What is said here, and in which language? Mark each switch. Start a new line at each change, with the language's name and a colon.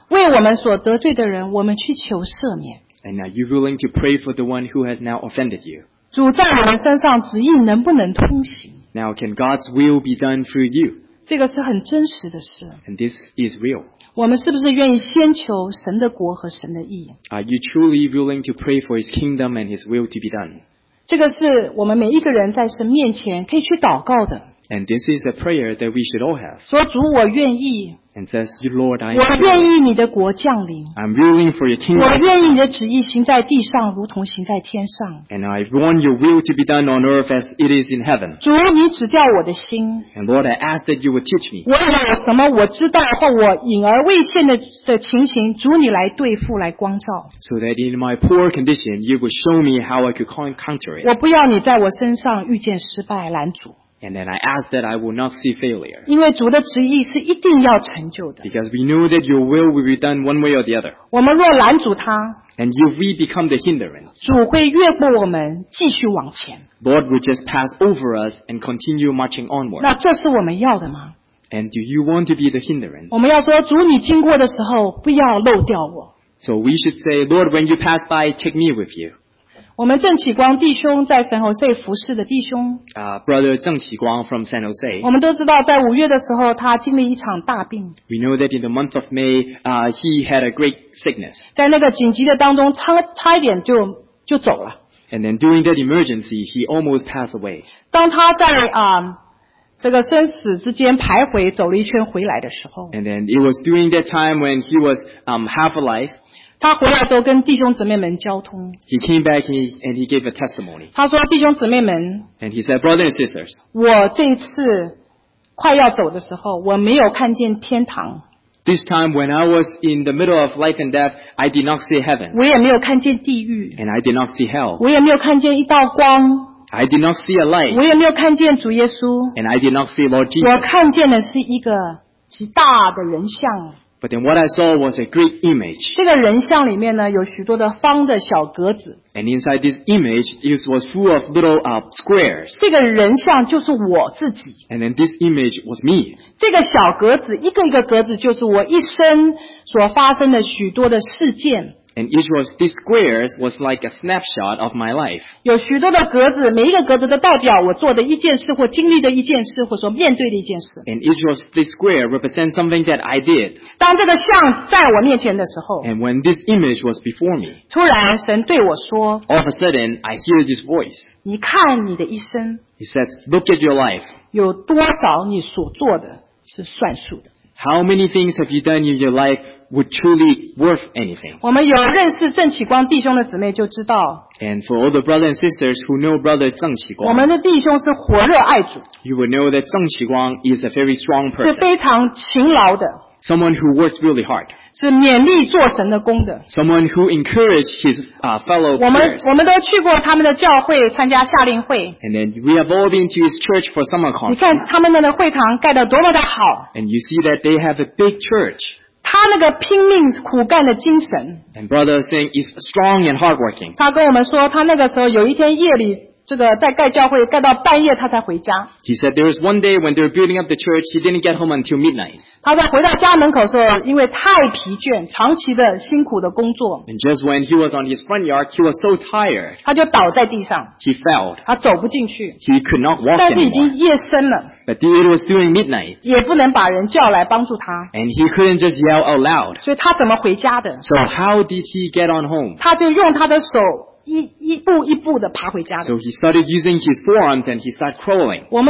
Chinese: 为我们所得罪的人，我们去求赦免。
English: And are you willing to pray for the one who has now offended you?
Chinese: 主在我们身上旨意能不能通行？
English: Now, can God's will be done through you?
Chinese: 这个是很真实的事。
English: And this is real.
Chinese: 我们是不是愿意先求神的国和神的义？
English: Are you truly willing to pray for His kingdom and His will to be done?
Chinese: 这个是我们每一个人在神面前可以去祷告的。
English: And this is a prayer that we should all have.
Chinese: 说主我愿意。
English: And says, Lord, I am.
Chinese: 我愿意你的国降临。
English: I'm willing for your kingdom.
Chinese: 我愿意你的旨意行在地上，如同行在天上。
English: And I want your will to be done on earth as it is in heaven.
Chinese: 主，你指教我的心。
English: And Lord, I ask that you would teach me.
Chinese: 我有什么我知道或我隐而未现的情形，主你来对付，来光照。
English: So that in my poor condition, you would show me how I could counter it.
Chinese: 我不要你在我身上遇见失败拦阻。
English: And then I asked that I will not see failure.
Chinese: 因为主的旨意是一定要成就的。
English: Because we knew that your will be done one way or the other.
Chinese: 我们若拦阻他,
English: and if we become the hindrance,
Chinese: 主会越过我们继续往前。
English: Lord will just pass over us and continue marching onward.
Chinese: 那这是我们要的吗?
English: And do you want to be the hindrance?
Chinese: 我们要说主你经过的时候不要漏掉我。
English: So we should say, Lord, when you pass by, take me with you.
Chinese: 我们郑启光弟兄在圣何塞服侍的弟兄,
English: Brother 郑启光 from San Jose.
Chinese: 我们都知道在五月的时候他经历一场大病。
English: We know that in the month of May, he had a great sickness.
Chinese: 在那个紧急的当中差点就走了。
English: And then during that emergency, he almost passed away.
Chinese: 当他在 这个生死之间徘徊走了一圈回来的时候,
English: And then it was during that time when he was half alive.
Chinese: 他回来之后跟弟兄姊妹们交通。
English: He came back and he gave a testimony.
Chinese: 他说弟兄姊妹们,
English: And he said, brothers and sisters,
Chinese: 我这一次快要走的时候我没有看见天堂。
English: This time when I was in the middle of life and death, I did not see heaven.
Chinese: 我也没有看见地狱。
English: And I did not see hell.
Chinese: 我也没有看见一道光。
English: I did not see a light.
Chinese: 我也没有看见主耶稣。
English: And I did not see Lord Jesus.
Chinese: 我看见的是一个极大的人像。
English: But then what I saw was a great image.
Chinese: 这个人像里面呢, 有许多的方的小格子。
English: And inside this image, it was full of little squares.
Chinese: 这个人像就是我自己。
English: And then this image was me.
Chinese: 这个小格子, 一个一个格子, 就是我一生所发生的许多的事件。
English: And each of these squares was like a snapshot of my life.
Chinese: 有许多的格子, 每一个格子都代表我做的一件事或经历的一件事, 或说面对的一件事。
English: And each of these squares represents something that I did.
Chinese: 当这个像在我面前的时候,
English: And when this image was before me,
Chinese: 突然神对我说,
English: All of a sudden, I hear this voice.
Chinese: 你看你的一生,
English: He says, look at your life.
Chinese: 有多少你所做的是算数的。
English: How many things have you done in your life would truly worth anything?
Chinese: 我们有认识郑启光弟兄的姊妹就知道,
English: And for all the brothers and sisters who know Brother 郑启光,
Chinese: 我们的弟兄是火热爱主,
English: you would know that 郑启光 is a very strong person.
Chinese: 是非常勤劳的,
English: someone who works really hard.
Chinese: 是勉励做神的工的,
English: someone who encouraged his fellow prayers.
Chinese: 我们都去过他们的教会参加夏令会。
English: And then we have all been to his church for summer conference.
Chinese: 你看他们那个会堂盖得多么的好。
English: And you see that they have a big church.
Chinese: 他那个拼命苦干的精神,
English: And brother saying is strong and hardworking.
Chinese: 他跟我们说他那个时候有一天夜里, 这个在盖教会盖到半夜他才回家。
English: He said there was one day when they were building up the church, he didn't get home until midnight.
Chinese: 他在回到家门口的时候, 因为太疲倦, 长期的辛苦的工作。
English: And just when he was on his front yard, he was so tired.
Chinese: 他就倒在地上。
English: He fell.
Chinese: 他走不进去。
English: He could not walk
Chinese: 但是已经夜深了。
English: But it was during midnight.
Chinese: 也不能把人叫来帮助他。
English: And he couldn't just yell out loud.
Chinese: 所以他怎么回家的?
English: So how did he get on home?
Chinese: 他就用他的手, 一步一步地爬回家的。
English: So he started using his forearms and he started crawling.